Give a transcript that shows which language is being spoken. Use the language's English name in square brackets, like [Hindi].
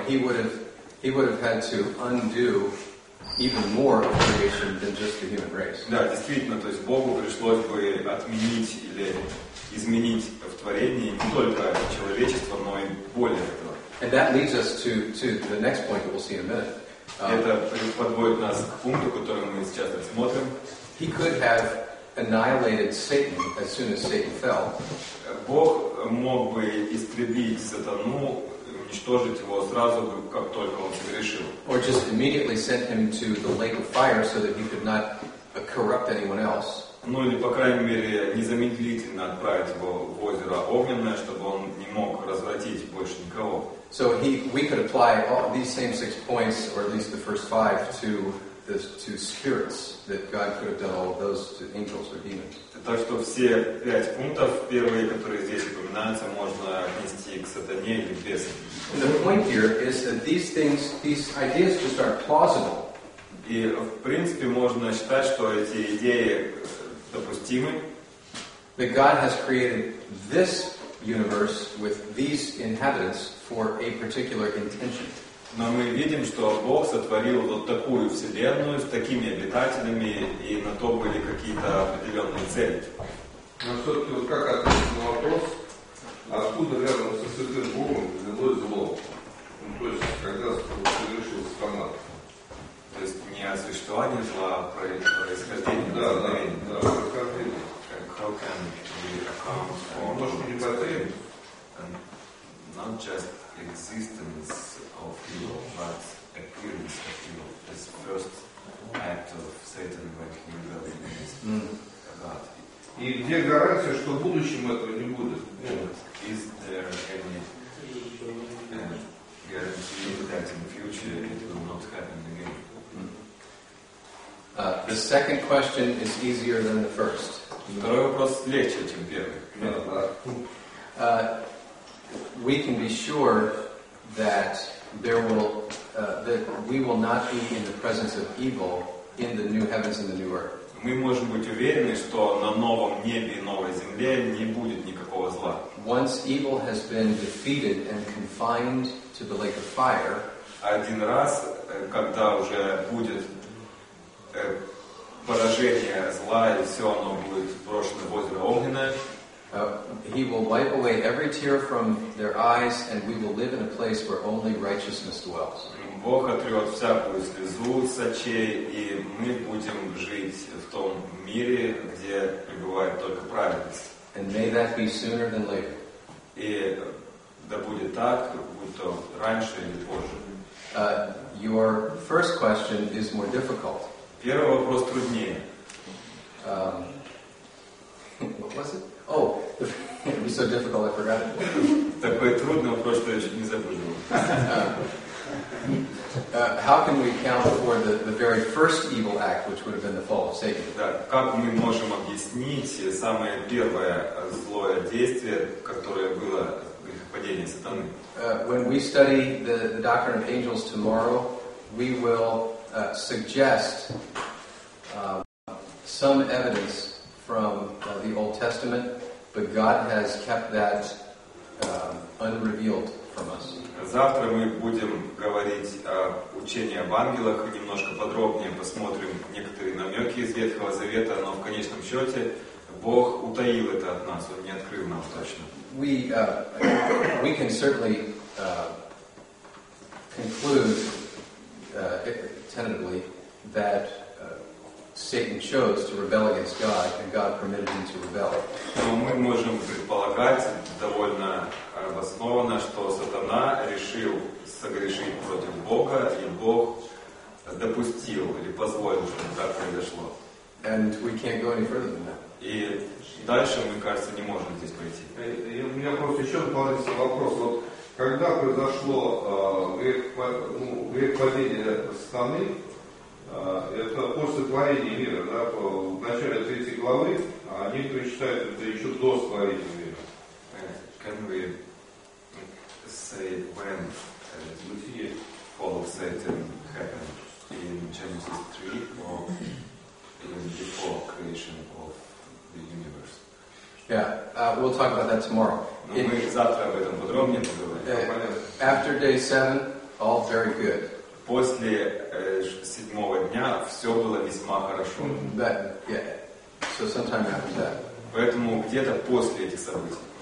[English] He would have had to undo even more of creation than just the human race. [Russian] Да, действительно, то есть Богу пришлось бы отменить или изменить в творении не только человечество, но и более этого. [English] And that leads us to the next point that we'll see in a minute. [Russian] Это подводит нас к пункту, который мы сейчас рассмотрим. [English] He could have annihilated Satan as soon as Satan fell. [Russian] Бог мог бы истребить сатану, уничтожить его сразу, как только он согрешил. [English] Or just immediately sent him to the lake of fire so that he could not corrupt anyone else. [Russian] Ну или, по крайней мере, незамедлительно отправить его в озеро огненное, чтобы он не мог развратить больше никого. [English] So we could apply all these same six points, or at least the first five, to spirits, that God could have done all of those to angels or demons. [Russian] Так что все пять пунктов, первые, которые здесь упоминаются, можно отнести к сатане или к бесам. [English] The point here is that these ideas just aren't plausible. [Russian] И, в принципе, можно считать, что эти идеи допустимы. [English] That God has created this universe with these inhabitants for a particular intention. [Russian] Но мы видим, что Бог сотворил вот такую вселенную с такими обитателями, и на то были какие-то определенные цели. Но все-таки вот как ответить на вопрос, откуда рядом со святым Богом взялось зло? Ну, то есть, когда совершил сатана? То есть, не о существовании зла, а происхождение. Да, да, да, происхождение. [English] How can we account for it? And not just existence of evil, but appearance of evil. This first act of Satan when he rebelled against God. [Russian] И где гарантия, что в будущем этого не будет? [English] Is there any guarantee that in future it will not happen again? The second question is easier than the first. [Russian] Второй вопрос легче, чем первый. [English] We can be sure that that we will not be in the presence of evil in the new heavens and the new earth. [Russian] Мы можем быть уверены, что на новом небе и новой земле не будет никакого зла. [English] Once evil has been defeated and confined to the lake of fire, [Russian] один раз, когда уже будет поражение зла и все оно будет брошено в озеро огненное. [English] He will wipe away every tear from their eyes, and we will live in a place where only righteousness dwells. [Russian] Бог отрет всякую слезу с очей, и мы будем жить в том мире, где пребывает только праведность. [English] And may that be sooner than later. [Russian] И да будет так, будь то раньше или позже. [English] Your first question is more difficult. [Russian] Первый вопрос труднее. [English] What was it? Oh, it would be so difficult, I forgot it. [Russian] Такой трудный вопрос, что я чуть не забыл. [English] How can we account for the very first evil act, which would have been the fall of Satan? [Russian] Да, как мы можем объяснить самое первое злое действие, которое было грехопадение сатаны? [English] When we study the doctrine of angels tomorrow, we will suggest some evidence from the Old Testament, but God has kept that unrevealed from us. [Russian] Завтра мы будем говорить о учении об ангелах и немножко подробнее посмотрим некоторые намеки из Ветхого Завета, но в конечном счете Бог утаил это от нас, Он не открыл нам точно. [English] We can certainly conclude tentatively that Satan chose to rebel against God, and God permitted him to rebel. [Russian] Но мы можем предполагать довольно обоснованно, что сатана решил согрешить против Бога, и Бог допустил или позволил, чтобы так произошло. [English] And we can't go any further than that. [Russian] И дальше, мне кажется, не можем здесь пойти. У меня просто еще дополнительный вопрос. Вот когда произошло грех падения сатаны, это после творения мира, да, в начале третьей главы, а некоторые считают это еще до творения мира. [English] Can we say when the fall of Satan happened in Genesis 3 or even before creation of the universe? Yeah, we'll talk about that tomorrow. [Russian] Мы завтра об этом подробнее поговорим. [English] After day 7, all very good. [Russian] После седьмого дня все было весьма хорошо. [English] That, yeah. So sometime after that. [Russian] Поэтому где-то после этих событий.